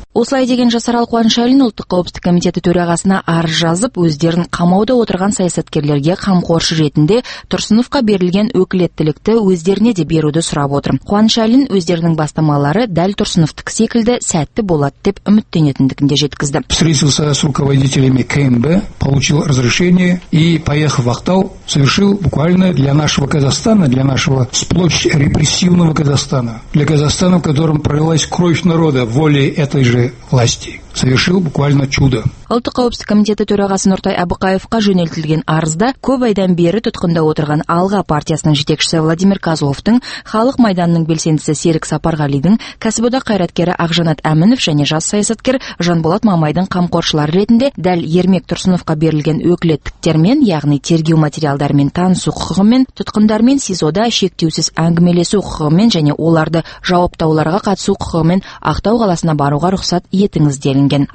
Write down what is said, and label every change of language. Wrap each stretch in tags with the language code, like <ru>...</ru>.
<kk>Осылай деген Жасарал Қуанышалин Ұлттық қауіпсіздік комитеті төрағасына арыз жазып, өздерін қамауда отырған саясаткерлерге қамқоршы ретінде Тұрсыновқа берілген өкілеттілікті өздеріне де беруді сұрап отыр. Қуанышалин өздерінің бастамалары дәл Тұрсыновтық секілді сәтті болады деп үміттенетіндігін де жеткізді.</kk> <ru>Встретился с руководителями КНБ, получил разрешение и поехал в Актау, совершил буквально для нашего Казахстана, для нашего сплошь репрессивного Казахстана, для Казахстана, в котором пролилась кровь народа волей этой же власти. Совершил буквально чудо.</ru> <kk>Ұлттық қауіпсіздік комитеті төрағасы Нұртай Абықаевқа жөнелтілген арызда көп айдан бері тұтқында отырған Алға партиясының жетекшісі Владимир Козловтың, Халық майданының белсендісі Серік Сапарғалидің, кәсіподақ қайраткері Ақжанат Әмінов және жас саясаткер Жанболат Мамайдың қамқоршылары ретінде дәл Ермек Тұрсыновқа берілген өкілеттіктермен, яғни тергеу материалдарымен танысу құқығымен, тұтқындармен СИЗО-да шектеусіз әңгімелесу құқығымен және оларды жауаптауларға қатысу құқығымен Ақтау қаласына баруға рұқсат етіңіз делінген.</kk>